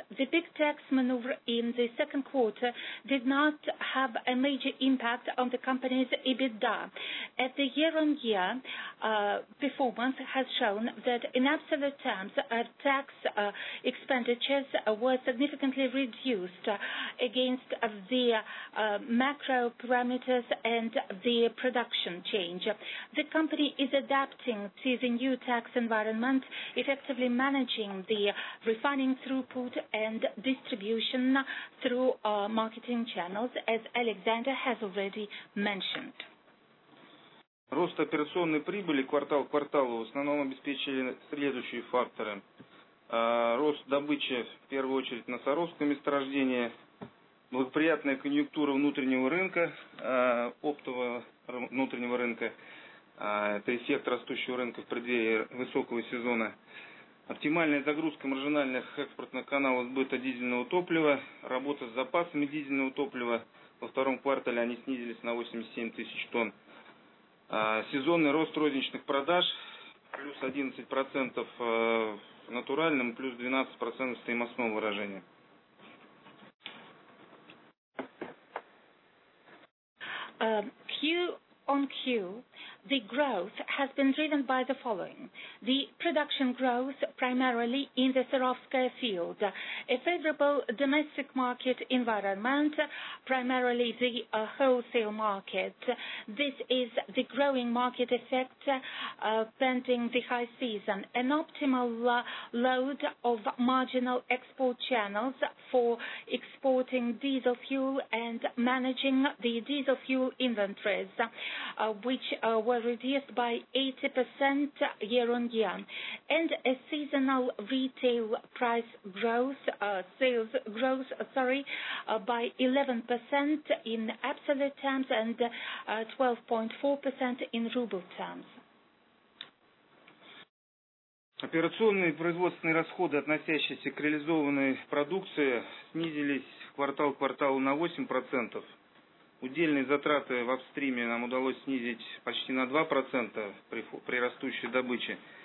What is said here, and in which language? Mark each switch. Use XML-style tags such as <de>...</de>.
<en>The big tax maneuver in the second quarter did not have a major impact on the company's EBITDA, as the year-on-year performance has shown that in absolute terms, tax expenditures were significantly reduced against the macro parameters and the production change. The company is adapting to the new tax environment, effectively managing the refining throughput and distribution through marketing channels, as Alexander has already mentioned.</en> <ru>Рост операционной прибыли квартал к кварталу в основном обеспечили следующие факторы. Рост добычи, в первую очередь, на Саровском месторождении, благоприятная конъюнктура внутреннего рынка, оптового внутреннего рынка, это эффект растущего рынка в преддверии высокого сезона, оптимальная загрузка маржинальных экспортных каналов сбыта дизельного топлива, работа с запасами дизельного топлива, во втором квартале они снизились на 87 тысяч тонн, сезонный рост розничных продаж, плюс 11% в натуральном, плюс 12% в стоимостном выражении.</ru> <en>Q-on-Q, the growth has been driven by the following. The production growth primarily in the Serovskaya field, a favorable domestic market environment, primarily the wholesale market. This is the growing market effect pending the high season. An optimal load of marginal export channels for exporting diesel fuel and managing the diesel fuel inventories, which were reduced by 80% year-on-year, and a seasonal retail price growth, sales growth, by 11% in absolute terms and 12.4% in ruble terms.</en> <ru>Операционные и производственные расходы, относящиеся к реализованной продукции, снизились квартал к кварталу на 8%. Удельные затраты в апстриме нам удалось снизить почти на 2% при растущей добыче.</ru>